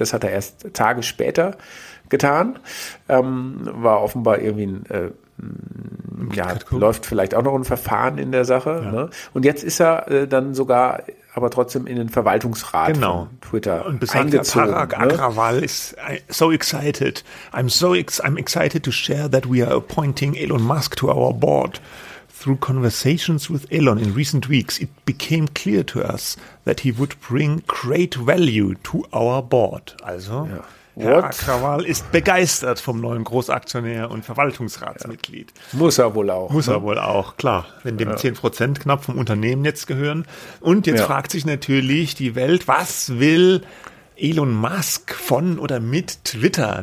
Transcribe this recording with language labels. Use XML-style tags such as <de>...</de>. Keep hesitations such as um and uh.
<de>Das hat er erst Tage später getan. Ähm, war offenbar irgendwie ein äh, ja, läuft vielleicht auch noch ein Verfahren in der Sache. Ja. Ne? Und jetzt ist er äh, dann sogar aber trotzdem in den Verwaltungsrat genau. von Twitter Und eingezogen. Parag ne? Agrawal ist so excited.</de> <en>I'm so ex I'm excited to share that we are appointing Elon Musk to our board. Through conversations with Elon in recent weeks, it became clear to us that he would bring great value to our board.</en> <de>Also ja. Herr Akrawal ist begeistert vom neuen Großaktionär und Verwaltungsratsmitglied. Ja. Muss er wohl auch. Muss ne? er wohl auch, klar. Wenn dem zehn ja. Prozent knapp vom Unternehmen jetzt gehören. Und jetzt ja. fragt sich natürlich die Welt, was will Elon Musk von oder mit Twitter?</de>